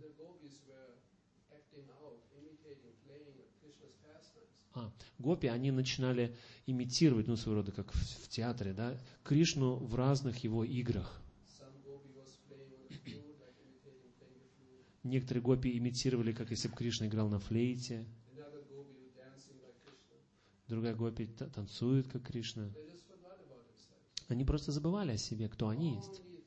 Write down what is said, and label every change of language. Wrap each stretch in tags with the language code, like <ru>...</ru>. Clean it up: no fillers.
<en>The gopis were acting out, imitating, playing Krishna's pastimes.</en> <ru>Гопи, они начинали имитировать, ну, своего рода, как в театре, да, Кришну в разных его играх.</ru> <en>Some gopi was playing on the flute, like imitating, playing the flute.</en> <ru>Некоторые гопи имитировали, как если бы Кришна играл на флейте.</ru> <en>Another gopi was dancing like Krishna.</en> <ru>Другая гопи танцует, как Кришна.</ru> <en>They just forgot about themselves.</en> <ru>Они просто забывали о себе, кто они есть.</ru>